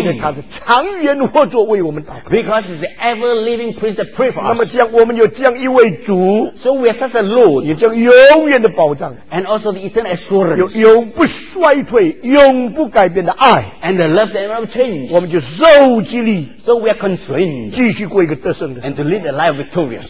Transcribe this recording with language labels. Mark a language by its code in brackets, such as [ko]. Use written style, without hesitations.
[zh] 因为他是长远活着为我们祷告。 [en] Because he is the ever living priest that pray for us. [zh] 那么这样我们有这样一位主 [en] So we have such a Lord [zh] 有这样永远的保障 [en] And also the eternal assurance [zh] 有永不衰退永不改变的爱 [en] And the love that never changes [zh] 我们就受激励 [en] So we are constrained [zh] 继续过一个得胜的 [en] And to live a life victorious